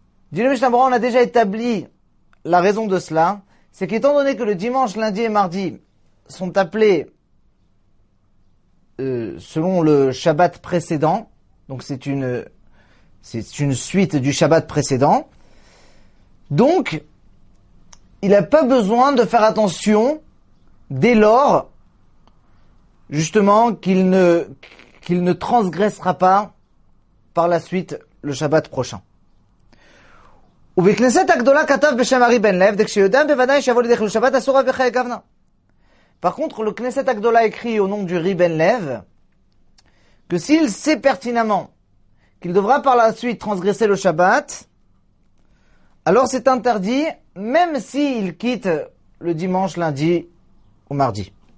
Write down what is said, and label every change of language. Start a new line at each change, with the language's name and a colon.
French: Dit le Mishnah Berurah, on a déjà établi la raison de cela, c'est qu'étant donné que le dimanche, lundi et mardi sont appelés selon le Shabbat précédent, donc c'est une suite du Shabbat précédent, donc il n'a pas besoin de faire attention dès lors, justement, qu'il ne transgressera pas par la suite le Shabbat prochain.
Hebrew: ובכנסת הגדולה כתב בשם ארי בן לב, כשיודע בוודאי שיבוא לידי חילול שבת אסורה בחיי גוונה.
French: Par contre, le כנסת הגדולה écrit au nom du Ri Ben Lev que s'il sait pertinemment qu'il devra par la suite transgresser le Shabbat, alors c'est interdit même s'il quitte le dimanche, lundi ou mardi.